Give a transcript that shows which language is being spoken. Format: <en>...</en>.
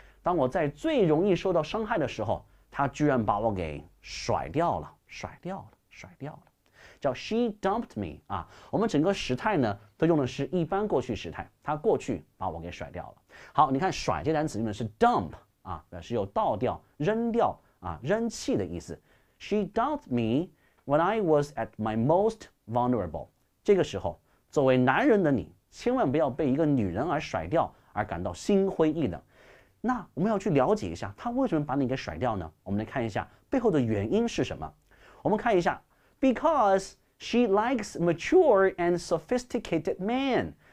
<zh>当我在最容易受到伤害的时候，他居然把我给甩掉了，甩掉了，甩掉了，叫 she dumped me 啊。我们整个时态呢，都用的是一般过去时态，他过去把我给甩掉了。好，你看甩这单词用的是 dump 啊，表示有倒掉、扔掉啊、扔弃的意思。</zh> <en>She dumped me when I was at my most vulnerable。</en> <zh>这个时候，作为男人的你，千万不要被一个女人而甩掉而感到心灰意冷。那我们要去了解一下他为什么把你给甩掉呢？我们来看一下背后的原因是什么。我们看一下 Because she likes mature and sophisticated men。</zh>